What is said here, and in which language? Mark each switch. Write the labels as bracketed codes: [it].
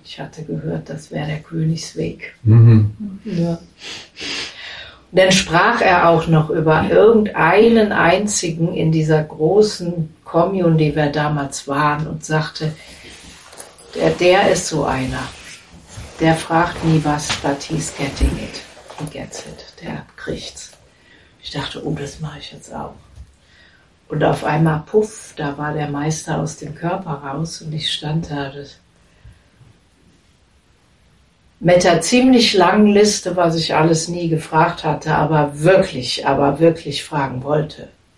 [de] Ich hatte gehört, das wäre der Königsweg. Mhm. Ja. Und dann sprach er auch noch über irgendeinen einzigen in dieser großen Kommune, die wir damals waren, und sagte, der ist so einer. Der fragt nie was, [en] but he's getting it. He gets it. [de] Der kriegt's. Ich dachte, oh, das mache ich jetzt auch. Und auf einmal, puff, da war der Meister aus dem Körper raus und ich stand da. Das mit der ziemlich langen Liste, was ich alles nie gefragt hatte, aber wirklich fragen wollte.